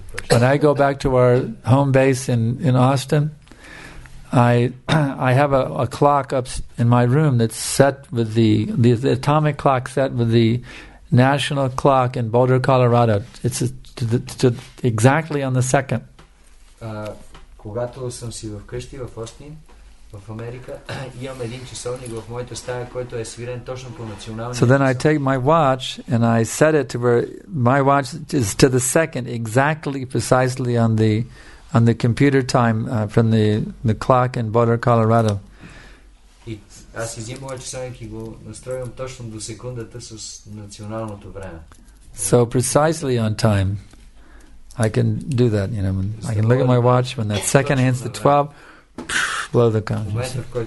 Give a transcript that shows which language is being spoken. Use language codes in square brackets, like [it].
[en] When I go back to our home base in Austin, I have a clock up in my room that's set with the atomic clock set with the national clock in Boulder, Colorado. It's to exactly on the second. [bg] Когато съм си в къщи в Остин, в Америка, имам един часовник в моята стая, който е свирен точно по националния. [en] So then I take my watch and I set it to where my watch is to the second exactly precisely on the computer time from the clock in Boulder, Colorado. [bg] Аз изимам моят часовник и го настроям точно до секундата с националното време. [en] So precisely on time. I can do that, you know. I can look at my watch when that second hits the 12, blow the conscience.